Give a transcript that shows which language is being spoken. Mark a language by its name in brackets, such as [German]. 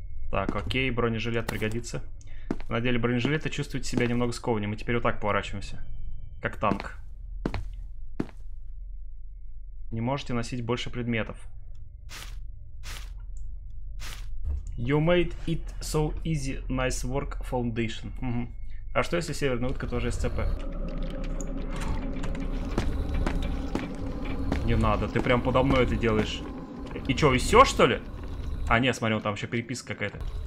[Russian] Так, окей, бронежилет пригодится. Надели бронежилет и чувствуете себя немного скованнее. Мы теперь вот так поворачиваемся, как танк. Не можете носить больше предметов. [English] You made it so easy, nice work, foundation. [Russian] А что если северная утка тоже СЦП? Не надо, ты прям подо мной это делаешь. И чё, и всё, что ли? А, нет, смотри, там ещё переписка какая-то.